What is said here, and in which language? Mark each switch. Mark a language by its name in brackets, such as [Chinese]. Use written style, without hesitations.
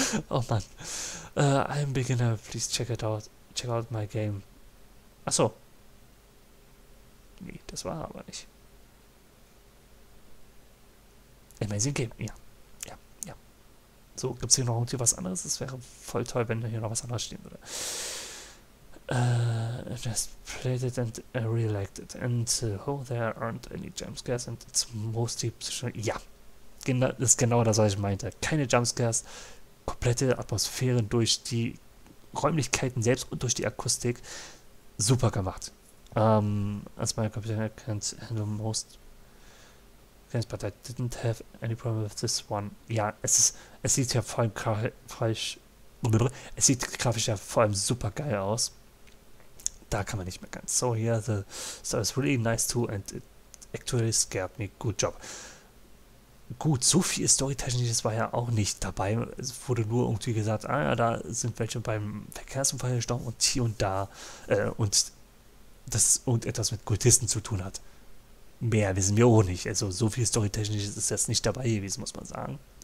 [German] Oh Mann. [English] I'm beginner, please check it out. Check out my game. Achso. [German] Nee, das war aber nicht. [English] Amazing Game, [German] ja. Ja. So, gibt es hier noch irgendwie was anderes? Es wäre voll toll, wenn da hier noch was anderes stehen würde. [English] Just played it and I really liked it. And oh, there aren't any jumpscares and it's mostly psychological. [German] Ja, genau, das ist genau das, was ich meinte. Keine Jumpscares, komplette Atmosphären durch die Räumlichkeiten selbst und durch die Akustik. Super gemacht. [English] As my computer can't handle most. But I didn't have any problem with this one. [German] Ja, es sieht ja vor allem es sieht grafisch ja vor allem super geil aus. Da kann man nicht mehr ganz. [English] So, yeah, the story is really nice too and it actually scared me. Good job. [German] Gut, so viel Storytechnisches war ja auch nicht dabei. Es wurde nur irgendwie gesagt, ah ja, da sind welche beim Verkehrsunfall gestorben und hier und da und das irgendetwas mit Kultisten zu tun hat. Mehr wissen wir auch nicht. Also so viel Storytechnisches ist jetzt nicht dabei gewesen, muss man sagen.